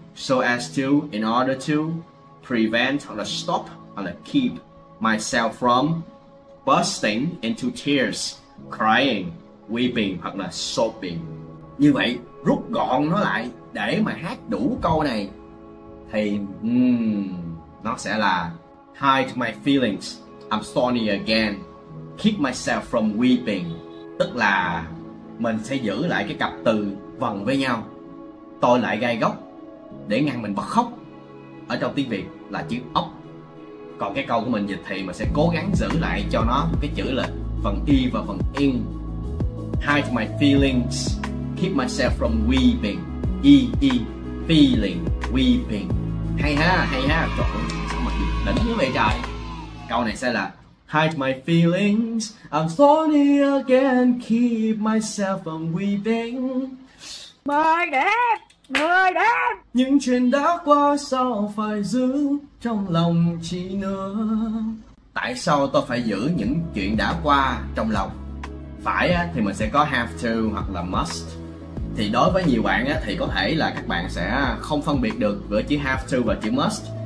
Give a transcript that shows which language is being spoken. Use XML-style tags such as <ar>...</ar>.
<en>So as to, in order to, prevent or stop or keep myself from bursting into tears, crying, weeping</en> <vi>hoặc là</vi> <en>sobbing.</en> <vi>Như vậy, rút gọn nó lại để mà hát đủ câu này thì nó sẽ là</vi> <en>hide my feelings, I'm thorny again, keep myself from weeping.</en> <vi>Tức là mình sẽ giữ lại cái cặp từ vần với nhau, tôi lại gai góc để ngăn mình bật khóc. Ở trong tiếng Việt là chữ ốc. Còn cái câu của mình dịch thì mình sẽ cố gắng giữ lại cho nó cái chữ là phần y và phần in.</vi> <en>Hide my feelings, keep myself from weeping. E, e, feeling, weeping.</en> <vi>Hay ha, hay ha. Trời ơi, sao mà đỉnh như vậy trời. Câu này sẽ là</vi> <en>hide my feelings, I'm thorny again, keep myself from weeping.</en> <vi>Mời đẹp, mời đẹp. Những chuyện đã qua sao phải giữ trong lòng chi nữa. Tại sao tôi phải giữ những chuyện đã qua trong lòng? Phải á, thì mình sẽ có have to hoặc là must. Thì đối với nhiều bạn á, thì có thể là các bạn sẽ không phân biệt được giữa chữ have to và chữ must.</vi>